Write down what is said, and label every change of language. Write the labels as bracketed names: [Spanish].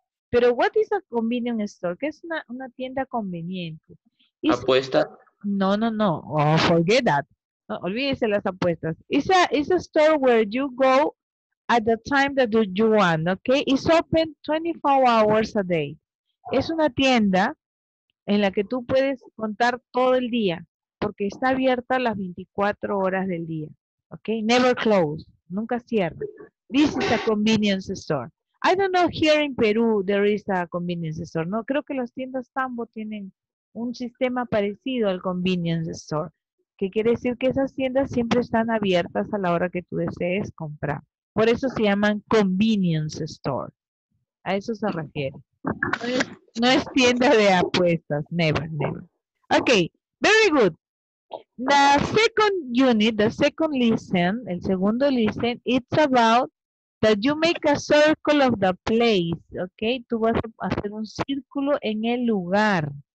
[Spanish] Pero [English] what is a convenience store? [Spanish] ¿Qué es una tienda conveniente? Is apuesta. No. [English] Oh, forget that. [Spanish] No, olvídese las apuestas. [English] It's a store where you go at the time that you want, okay? It's open 24 hours a day. [Spanish] Es una tienda en la que tú puedes contar todo el día, porque está abierta las 24 horas del día. [English] Okay? Never close. [Spanish] Nunca cierra. [English] This is a convenience store. I don't know here in Peru there is a convenience store. [Spanish] No, creo que las tiendas Tambo tienen un sistema parecido al convenience store, que quiere decir que esas tiendas siempre están abiertas a la hora que tú desees comprar. Por eso se llaman convenience store. A eso se refiere. No es tienda de apuestas. Never. [English] Okay, very good. The second unit, the second lesson, [Spanish] el segundo lesson, [English] it's about that you make a circle of the place. [Spanish] Okay, tú vas a hacer un círculo en el lugar.